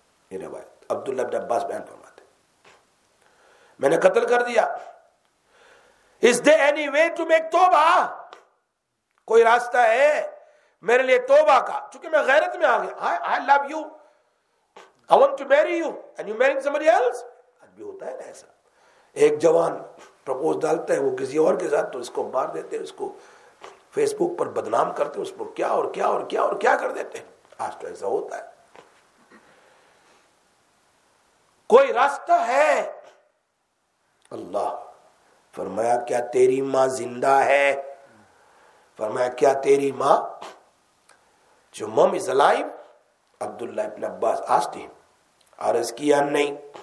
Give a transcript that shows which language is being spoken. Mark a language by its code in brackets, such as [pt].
[ur] یہ روایت عبداللہ بن عباس بیان فرماتے ہیں, میں نے قتل کر دیا. [en] Is there any way to make [ur] توبہ, کوئی راستہ ہے میرے لیے توبہ کا, چونکہ میں غیرت میں آ گیا. [en] I love you, I want to marry you and you marrying somebody else. [ur] آج بھی ہوتا ہے نا ایسا, ایک جوان پروپوز ڈالتا ہے وہ کسی اور کے ساتھ, تو اس کو مار دیتے, اس کو فیس بک پر بدنام کرتے, اس پر کیا اور کیا اور کیا اور کیا کر دیتے. آج تو ایسا ہوتا ہے. کوئی راستہ ہے؟ اللہ فرمایا, کیا تیری ماں زندہ ہے؟ فرمایا, کیا تیری ماں, [en] جو mum is alive? [ur] عبداللہ ابن عباس آستے ہیں, عرض کیا نہیں.